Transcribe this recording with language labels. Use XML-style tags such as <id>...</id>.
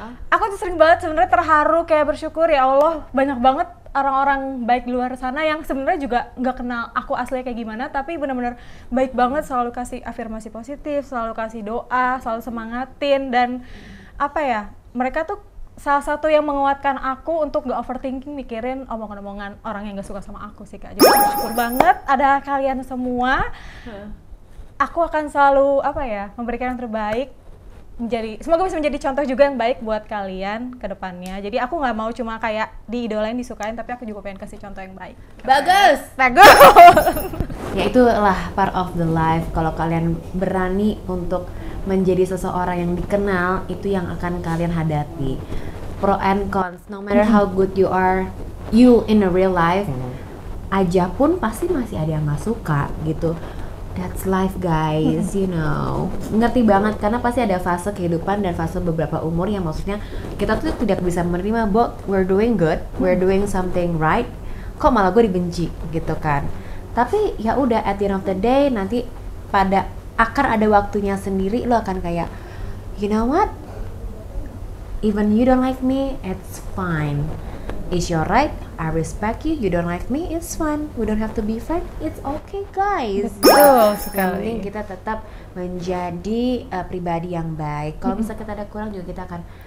<id>Aku tuh sering banget sebenarnya terharu kayak bersyukur ya Allah, banyak banget orang-orang baik di luar sana yang sebenarnya juga nggak kenal aku aslinya kayak gimana, tapi benar-benar baik banget, selalu kasih afirmasi positif, selalu kasih doa, selalu semangatin, dan apa ya, mereka tuh salah satu yang menguatkan aku untuk nggak overthinking mikirin omongan-omongan orang yang nggak suka sama aku sih kak. Jadi bersyukur banget ada kalian semua. Aku akan selalu apa ya memberikan yang terbaik. Menjadi, semoga bisa menjadi contoh juga yang baik buat kalian ke depannya. Jadi aku gak mau cuma kayak diidolain, disukain, tapi aku juga pengen kasih contoh yang baik. Bagus! Bagus! Ya itulah</id> <en>part of the life.</en> <id>Kalau kalian berani untuk menjadi seseorang yang dikenal, itu yang akan kalian hadapi.</id> <en>Pro and cons, no matter how good you are, you in a real life,</en> <id>aja pun pasti masih ada yang gak suka gitu.</id> <en>That's life guys, you know.</en> <id>Ngerti banget, karena pasti ada fase kehidupan dan fase beberapa umur yang maksudnya kita tuh tidak bisa menerima,</id> <en>but we're doing good, we're doing something right,</en> <id>kok malah gue dibenci gitu kan. Tapi ya udah,</id> <en>at the end of the day,</en> <id>nanti pada akan ada waktunya sendiri, lo akan kayak,</id> <en>you know what? Even you don't like me, it's fine. It's your right, I respect you, you don't like me, it's fine. We don't have to be friends, it's okay guys.</en> <id>Betul sekali. Jadi kita tetap menjadi pribadi yang baik. Kalau misalnya kita ada kurang juga kita akan</id>